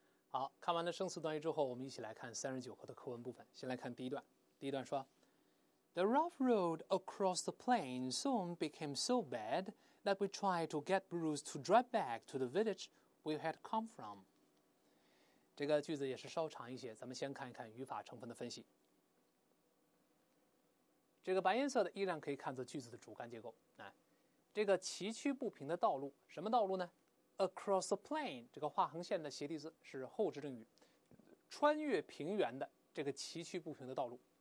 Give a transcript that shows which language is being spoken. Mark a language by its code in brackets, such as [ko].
[zh] 好，看完了生词短语之后，我们一起来看39课的课文部分。先来看第一段，第一段说：“ [en] The rough road across the plain soon became so bad that we tried to get Bruce to drive back to the village we had come from。” [zh] 这个句子也是稍长一些，咱们先看一看语法成分的分析。这个白颜色的依然可以看作句子的主干结构。哎，这个崎岖不平的道路，什么道路呢？ [en] Across the plain， [zh] 这个划横线的斜地字是后置定语，穿越平原的这个崎岖不平的道路。